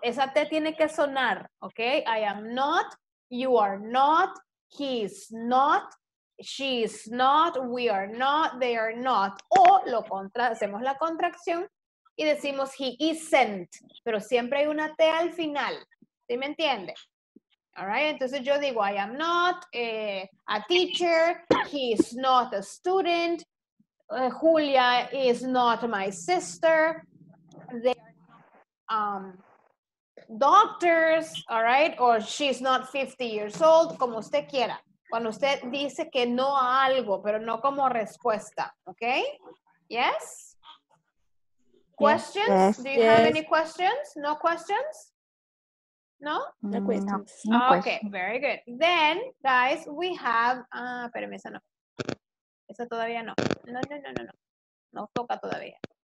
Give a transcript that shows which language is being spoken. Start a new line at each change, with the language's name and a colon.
Spanish: Esa T tiene que sonar.
English: Okay? I am not. You are not. He is not. She is not. We are not. They are not.
Spanish: O lo hacemos la contracción. Y decimos,
English: he isn't,
Spanish: pero siempre hay una T al final. ¿Sí me entiende?
English: All right, entonces yo digo, I am not a teacher, he is not a student, Julia is not my sister, they are doctors, all right, or she's not 50 years old,
Spanish: como usted quiera. Cuando usted dice que no a algo, pero no como respuesta, ¿ok?
English: Yes? Questions? Yes, do you have any questions? No questions? No? No questions. Okay, very good. Then, guys, we have...
Spanish: espérame, esa no. Esa todavía no. No, no, no, no, no. No toca todavía.